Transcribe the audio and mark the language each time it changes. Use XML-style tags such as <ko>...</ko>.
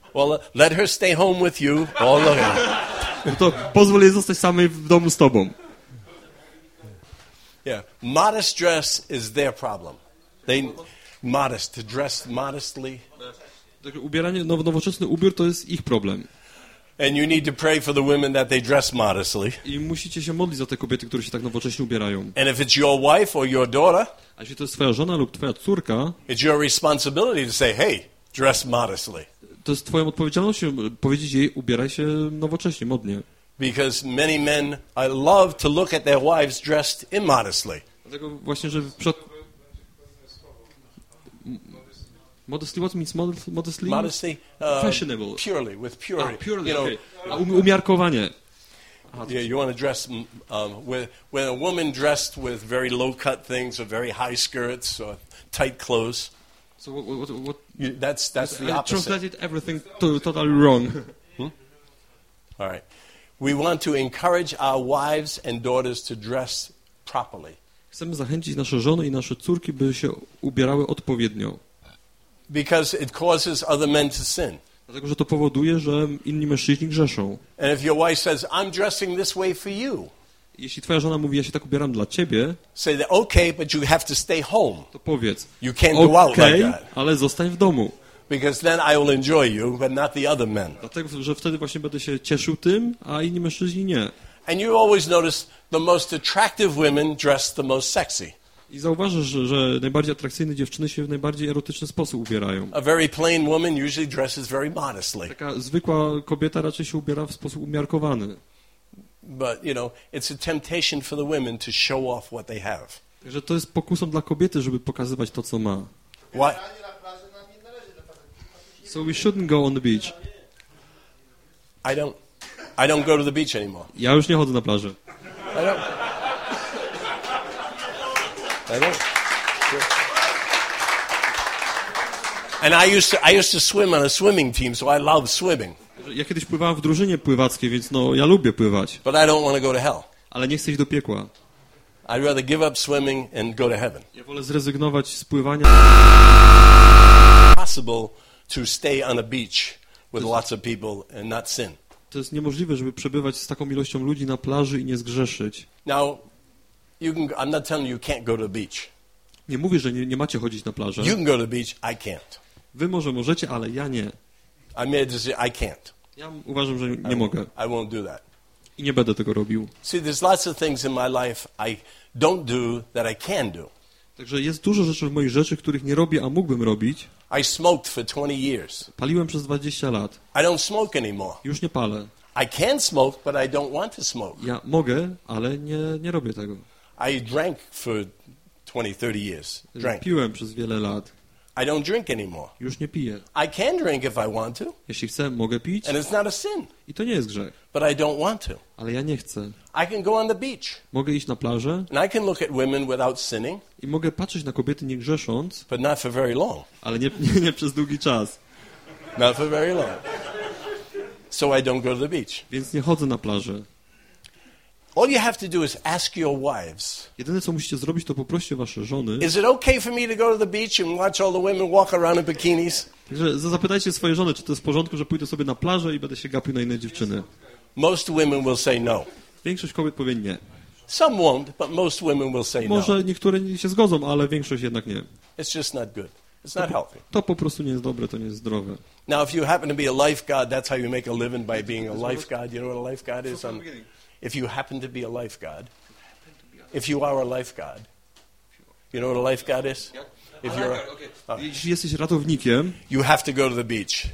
<en>Well, let her stay home with you all the time.</en> <pl>To pozwól jej zostać samej w domu z tobą.</pl> <en>Yeah, modest dress is their problem. They modest to dress modestly.</en> <pl>Także ubieranie, nowoczesny ubiór to jest ich problem.</pl> <en>And you need to pray for the women that they dress modestly.</en> <pl>I musicie się modlić za te kobiety, które się tak nowocześnie ubierają.</pl> <en>And if it's your wife or your daughter,</en> <pl>a jeśli to jest twoja żona lub twoja córka,</pl> <en>it's your responsibility to say, hey, dress modestly.</en> <pl>To jest twoją odpowiedzialność powiedzieć jej, ubieraj się nowocześnie, modnie.</pl> <en>Because many men, I love to look at their wives dressed immodestly.</en> <pl>Dlatego właśnie, że przed...</pl> <en>Modesty, what means modestly? Modesty, fashionable. Purely, with purity. Ah, purely, you okay. Know,</en> <pl>umiarkowanie.</pl> <en>Yeah, you want to dress when a woman dressed with very low-cut things or very high skirts or tight clothes. So what? That's the opposite. Translated everything totally wrong. Hmm? All right. We want to encourage our wives and daughters to dress properly.</en> <pl>Chcemy zachęcić nasze żony i nasze córki, by się ubierały odpowiednio.</pl> <en>Because it causes other men to sin.</en> <pl>Dlatego, że to powoduje, że inni mężczyźni grzeszą.</pl> <en>And if your wife says, I'm dressing this way for you.</en> <pl>Jeśli twoja żona mówi, ja się tak ubieram dla ciebie,</pl> <en>say that, okay, but you have to stay home.</en> <pl>To powiedz,</pl> <en>you can't okay, go out like that.</en> <pl>Ale zostań w domu.</pl> <en>Because then I will enjoy you, but not the other men.</en> <pl>Dlatego, że wtedy właśnie będę się cieszył tym, a inni mężczyźni nie.</pl> <en>And you always notice the most attractive women dress the most sexy.</en> <pl>I zauważysz, że najbardziej atrakcyjne dziewczyny się w najbardziej erotyczny sposób ubierają.</pl> <en>A very plain woman usually dresses very modestly.</en> <pl>Taka zwykła kobieta raczej się ubiera w sposób umiarkowany.</pl> <en>But you know, it's a temptation for the women to show off what they have.</en> <pl>Także to jest pokusą dla kobiety, żeby pokazywać to, co ma.</pl> <en>Why? So we shouldn't go on the beach. I don't go to the beach anymore.</en> <pl>Ja już nie chodzę na plażę.</pl> <en>And I used to swim on a swimming team, so I love swimming.</en> <pl>Ja kiedyś pływałem w drużynie pływackiej, więc no, ja lubię pływać.</pl> <en>But I don't want to go to hell.</en> <pl>Ale nie chcę iść do piekła.</pl> <en>I'd rather give up swimming and go to heaven.</en> <pl>Ja wolę zrezygnować z pływania.</pl> <en>Possible to stay on a beach with lots of people and not sin.</en> <pl>To jest niemożliwe, żeby przebywać z taką ilością ludzi na plaży i nie zgrzeszyć.</pl> <en>Now, you can, I'm not telling you can't go to the beach.</en> <pl>Nie mówię, że nie macie chodzić na plażę.</pl> <en>You can go to the beach, I can't.</en> <pl>Wy może możecie, ale ja nie.</pl> <en>I made a decision, I can't.</en> <pl>Ja uważam, że nie mogę.</pl> <en>I won't do that.</en> <pl>I nie będę tego robił.</pl> <en>See, there's lots of things in my life I don't do that I can do.</en> <pl>Także jest dużo rzeczy w mojej rzeczy, których nie robię, a mógłbym robić.</pl> <en>I smoked for 20 years.</en> <pl>Paliłem przez 20 lat.</pl> <en>I don't smoke anymore.</en> <pl>Już nie palę.</pl> <en>I can smoke, but I don't want to smoke.</en> <pl>Ja mogę, ale nie robię tego.</pl> <en>I drank for 20-30 years. Drank.</en> <pl>Piłem przez wiele lat.</pl> <en>I don't drink anymore.</en> <pl>Już nie piję.</pl> <en>I can drink if I want to.</en> <pl>Jeśli chcę, mogę pić.</pl> <en>And it's not a sin.</en> <pl>I to nie jest grzech.</pl> <en>But I don't want to.</en> <pl>Ale ja nie chcę.</pl> <en>I can go on the beach.</en> <pl>Mogę iść na plażę.</pl> <en>And I can look at women without sinning.</en> <pl>I mogę patrzeć na kobiety nie grzesząc.</pl> <en>But not for very long.</en> <pl>Ale nie przez długi czas.</pl> <en>Not for very long. So I don't go to the beach.</en> <pl>Więc nie chodzę na plażę.</pl> <en>All you have to do is ask your wives.</en> <pl>Jedyne co musicie zrobić to poprosić wasze żony.</pl> <en>Is it okay for me to go to the beach and watch all the women walk around in bikinis?</en> <pl>Także zapytajcie swoje żony, czy to jest w porządku, że pójdę sobie na plażę i będę się gapił na inne dziewczyny.</pl> <en>Most women will say no.</en> <pl>Większość kobiet powie nie.</pl> <en>Some won't, but most women will say no.</en> <pl>Może niektóre się zgodzą, ale większość jednak nie.</pl> <en>It's just not good. It's not healthy.</en> <pl>To po prostu nie jest dobre, to nie jest zdrowe.</pl> <en>Now if you happen to be a lifeguard, that's how you make a living by being a lifeguard. You know what a lifeguard is? If you happen to be a lifeguard, if you are a lifeguard, you know what a lifeguard is? If you're a</en> <pl>ratownikiem,</pl> <en>you have to go to the beach.</en>